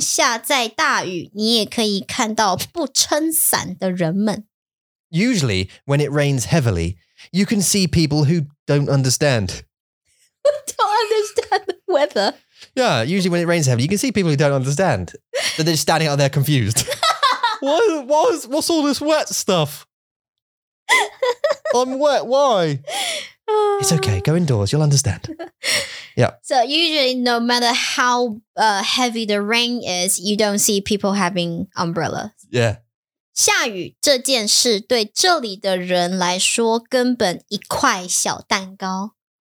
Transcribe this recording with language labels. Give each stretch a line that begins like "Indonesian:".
Chinese: 下在大雨你也可以看到不撑伞的人们。
English: Usually, when it rains heavily, you can see people who don't understand. don't understand the weather. Yeah, usually when it rains heavily, you can see people who don't understand. That they're just standing out there confused. What's all this wet stuff? I'm wet, why? It's okay, go indoors, you'll understand. Yeah. So usually no matter how heavy the rain is, you don't see people having umbrellas. Yeah.
Chinese: 下雨这件事对这里的人来说根本一块小蛋糕。